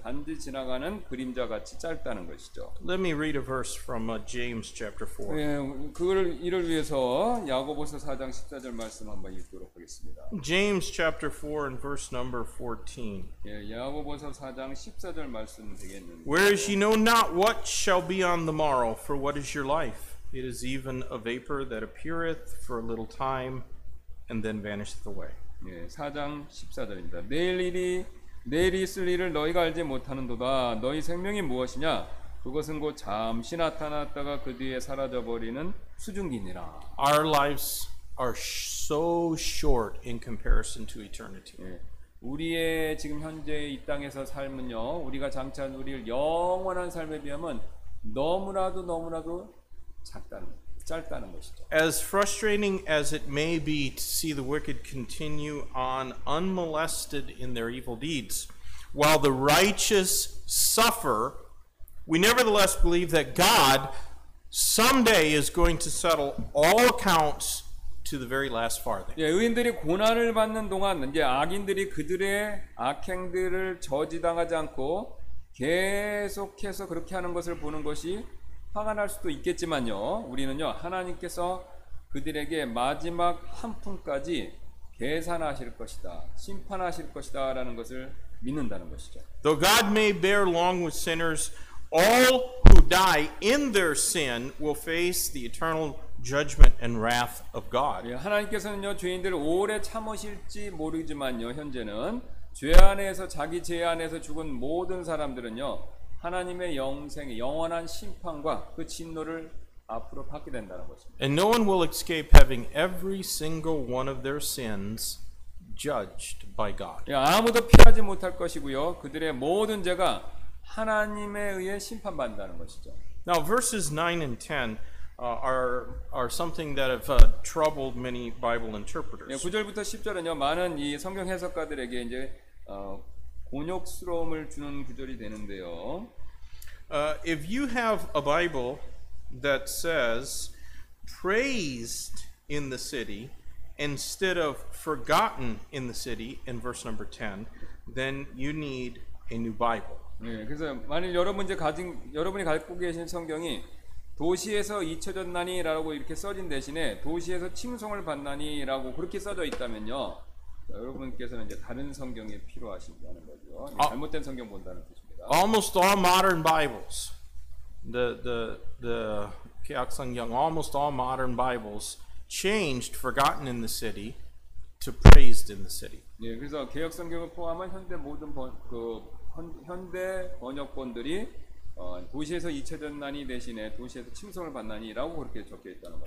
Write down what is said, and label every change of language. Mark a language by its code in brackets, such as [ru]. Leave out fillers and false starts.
[ko] 단지 지나가는 그림자 같이 짧다는 것이죠. [en] Let me read a verse from James chapter 4. [ko] 예, 그걸 이를 위해서 야고보서 4장 14절 말씀 한번 읽도록 하겠습니다. [en] James chapter 4 and verse number 14. [ko] 예, 야고보서 4장 14절 말씀 되겠는데. [en] Whereas ye know not what shall be on the morrow, for what is your life? It is even a vapor that appeareth for a little time. And then vanishes away. [ko] 예, 4장 14절입니다. 내일 있을 일을 너희가 알지 못하는도다. 너희 생명이 무엇이냐? 그것은 곧 잠시 나타났다가 그 뒤에 사라져 버리는 수증기니라. [en] Our lives are so short in comparison to eternity. [ko] 예, 우리의 지금 현재 이 땅에서 삶은요, 우리가 장차 누릴 영원한 삶에 비하면 너무나도 너무나도 작다는 짧다는 것이죠. [en] As frustrating as it may be to see the wicked continue on unmolested in their evil deeds, while the righteous suffer, we nevertheless believe that God someday is going to settle all accounts to the very last farthing. [ko] 예, 의인들이 고난을 받는 동안 이제 악인들이 그들의 악행들을 저지당하지 않고 계속해서 그렇게 하는 것을 보는 것이 화가 날 수도 있겠지만요. 우리는요, 하나님께서 그들에게 마지막 한 푼까지 계산하실 것이다. 심판하실 것이다라는 것을 믿는다는 것이죠. [en] Though God may bear long with sinners, all who die in their sin will face the eternal judgment and wrath of God. [ko] 예, 하나님께서는요, 죄인들 오래 참으실지 모르지만요, 현재는 죄 안에서 자기 죄 안에서 죽은 모든 사람들은요 하나님의 영생의 영원한 심판과 그 진노를 앞으로 받게 된다는 것입니다. [en] And no one will escape having every single one of their sins judged by God. [ko] 아무도 피하지 못할 것이고요. 그들의 모든 죄가 하나님에 의해 심판받는다는 것이죠. [en] Now verses 9 and 10 are something that have troubled many Bible interpreters. [ko] 예, 9절부터 10절은요. 많은 이 성경 해석가들에게 이제 곤욕스러움을 주는 구절이 되는데요. [en] If you have a Bible that says praised in the city instead of forgotten in the city in verse number 10, then you need a new Bible. [ko] 예, 그래서 만일 여러분 이제 가진 여러분이 갖고 계신 성경이 도시에서 잊혀졌나니라고 이렇게 써진 대신에 도시에서 칭송을 받나니라고 그렇게 써져 있다면요. 여러분께서는 이제 다른 성경이 필요하신다는 거죠. 잘못된 성경 본다는 뜻입니다. [en] Almost all modern Bibles, the 개역 성경, almost all modern Bibles changed forgotten in the city to praised in the city. [ko] 예, 그래서 개역 성경을 포함한 현대 모든 현대 번역본들이 도시에서 잊혀졌나니 대신에 도시에서 칭송을 받나니라고 그렇게 적혀 있다는 거예요.